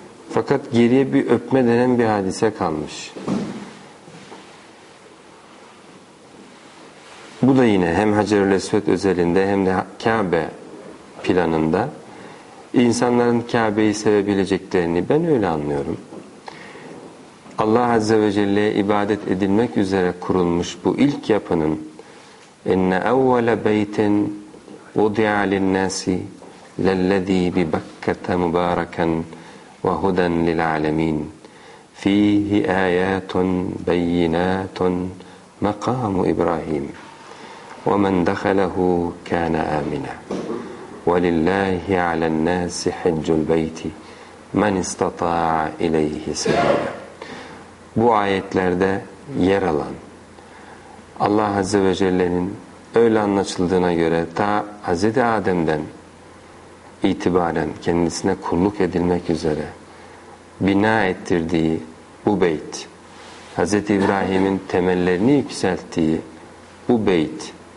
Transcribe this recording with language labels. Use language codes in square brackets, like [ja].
[tr] Fakat geriye bir öpme denen bir hadise kalmış. Bu da yine hem Hacer-ül Esved özelinde hem de Kabe planında insanların Kabe'yi sevebileceklerini ben öyle anlıyorum. Allah Azze ve Celle'ye ibadet edilmek üzere kurulmuş bu ilk yapının [ar] اِنَّ اَوَّلَ بَيْتٍ وُضِعَ لِلنَّاسِ لَلَّذ۪ي بِبَكَّةَ مُبَارَكًا وَهُدًا لِلْعَالَمِينَ ف۪يهِ آيَاتٌ بَيِّنَاتٌ مَقَامُ إِبْرَاهِيمٍ وَمَنْ دَخَلَهُ كَانَ آمِنًا وَلِلَّهِ عَلَى النَّاسِ حِجُّ الْبَيْتِ مَنْ اِسْتَطَاعَ اِلَيْهِ سَبِيلًا. [tr] Bu ayetlerde yer alan, Allah Azze ve Celle'nin öyle anlaşıldığına göre ta Hazreti Adem'den itibaren kendisine kulluk edilmek üzere bina ettirdiği bu beyt, Hazreti İbrahim'in temellerini yükselttiği bu beyt,